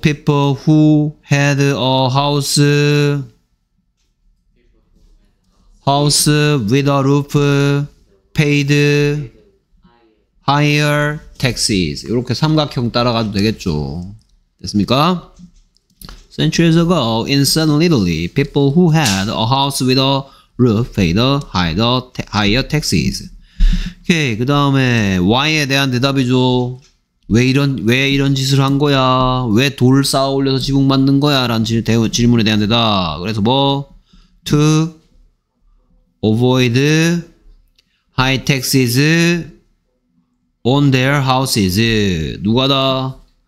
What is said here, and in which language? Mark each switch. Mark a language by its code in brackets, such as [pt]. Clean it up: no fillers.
[en] People who had a house. House with a roof. paid higher taxes. [ko] 이렇게 삼각형 따라가도 되겠죠. 됐습니까? [en] Centuries ago in southern Italy, people who had a house with a roof paid higher taxes. [ko] 오케이, 그 다음에 why에 대한 대답이죠. 왜 이런 짓을 한 거야? 왜 돌 쌓아 올려서 지붕 만든 거야? 라는 질문에 대한 대답. 그래서 뭐? [en] To avoid high taxes on their houses. [ko] 누가 다?